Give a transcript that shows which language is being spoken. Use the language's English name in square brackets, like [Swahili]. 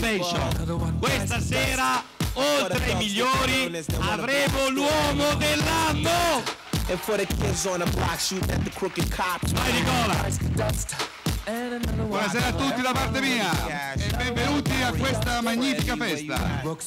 [Italian] Questa sera, oltre ai migliori, avremo l'uomo dell'anno! [English] E for the kids on the block, shoot at the crooked cops. [Italian] Vai Nicola! Buonasera a tutti da parte mia! E benvenuti a questa magnifica festa!